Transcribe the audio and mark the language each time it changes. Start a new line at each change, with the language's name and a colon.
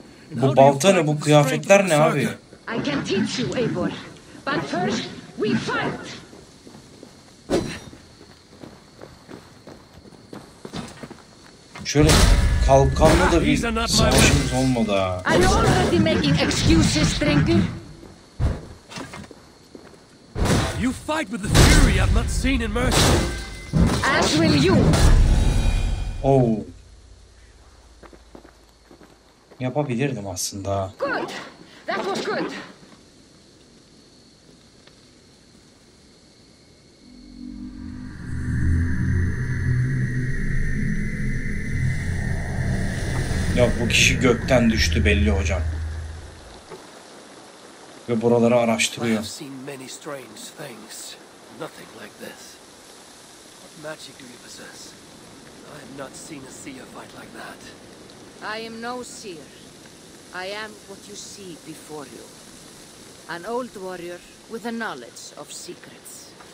Turkish: Bu balta ne? Bu kıyafetler ne abi?
English: I can teach you, Eivor. But first we fight.
Turkish: Şöyle kalkanlı da bir savaşımız olmadı ha.
English: I'm already making excuses, drinker. You fight with the fury I've not seen in Mercy. As will you. Oh.
Turkish: Yapabilirdim aslında.
English: Good. That was good.
Turkish: Ya bu kişi gökten düştü belli hocam. Ve buraları araştırıyor.
English: I've seen many strange things. Nothing like this. What magic do you possess? I have not seen a seer fight like that. I am no seer. I am what you see before you. An old warrior with a knowledge of secrets.